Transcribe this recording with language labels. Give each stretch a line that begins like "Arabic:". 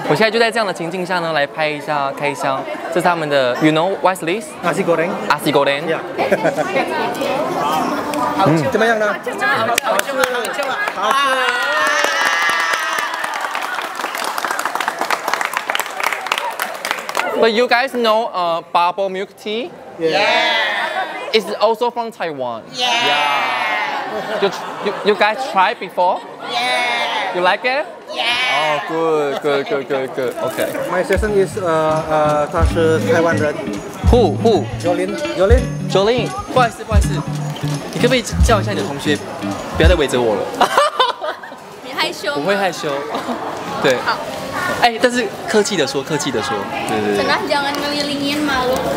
Chinese: 我现在就在这样的情境下呢，来拍一下开箱。这是他们的
English: ，You know what's this?
Indonesian: Nasi goreng. Nasi goreng.
Chinese: Yeah. 好吃吗？怎么样呢？好吃吗？好吃吗？好吃吗？好吃。
English: But you guys know bubble milk tea? Yeah. Yeah. It's also from Taiwan. Yeah. Yeah. You guys tried before? Yeah. You like it? Yeah. Oh, good. Okay. My sister is
Chinese: 她是台湾人。
English: Who? Jolene. Jolene. Jolene.
Chinese: 不好意思，不好意思，你可不可以叫一下你的同学，不要再围着我了。你害羞？我会害羞。对。好。哎，但是客气的说，客气的说，对对对。
Indonesian: Senang jangan ngelilingin malu.